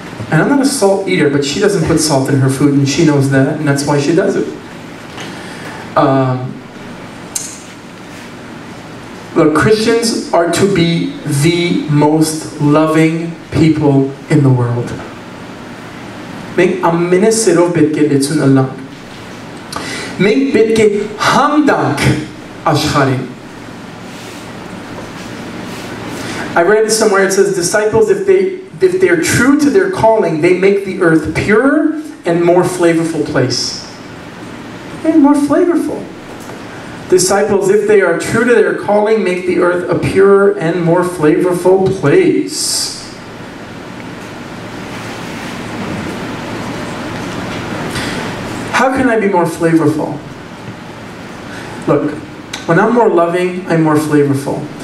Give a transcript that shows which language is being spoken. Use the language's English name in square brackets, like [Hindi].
[English] And I'm not a salt eater, but she doesn't put salt in her food, and she knows that, and that's why she does it. Look, Christians are to be the most loving people in the world. [Armenian] Մենք ամենասերով պետք է լեցուն ըլլանք։ Մենք պետք է համդանք աշխարհին։ [English] I read somewhere it says disciples if they're true to their calling, they make the earth purer and more flavorful place. And more flavorful. Disciples, if they are true to their calling, make the earth a purer and more flavorful place. How can I be more flavorful? Look, when I'm more loving, I'm more flavorful.